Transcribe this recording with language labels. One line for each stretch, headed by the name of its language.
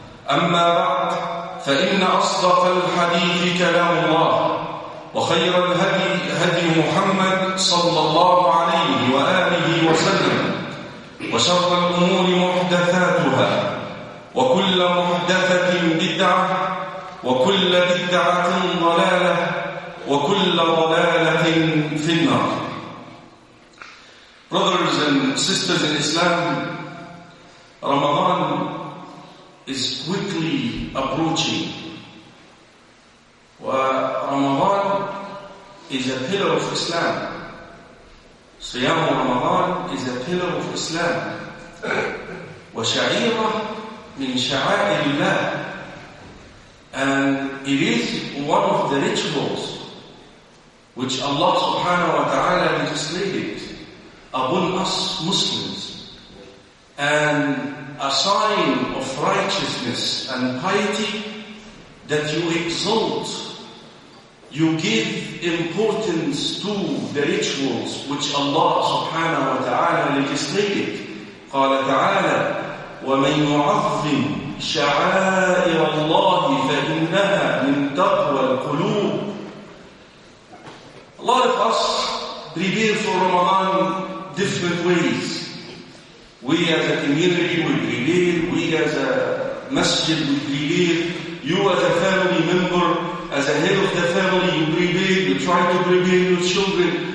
Arabic: أما بعد فإن أصدق الحديث كلام الله وخير الهدي هدي محمد صلى الله عليه وآله وسلم وشر الأمور محدثاتها وكل محدثة بدعة وكل بدعة ضلالة وكل ضلالة في النار.
English: Brothers and sisters in Islam, Ramadan is quickly approaching. Ramadan is a pillar of Islam.
Arabic: صيام رمضان
English: is a pillar of Islam.
Arabic: وشعيرة من شعائر الله.
English: And it is one of the rituals which Allah subhanahu wa ta'ala legislated upon us Muslims, and a sign of righteousness and piety that you exalt, you give importance to the rituals which Allah subhanahu wa ta'ala legislated.
Arabic: قال تعالى ومن يعظم شعائر الله فإنها من تقوى القلوب.
English: A lot of us prepare for Ramadan different ways. We as a community will prepare, we as a masjid will prepare, you as a family member, as a head of the family, you prepare, you try to prepare your children.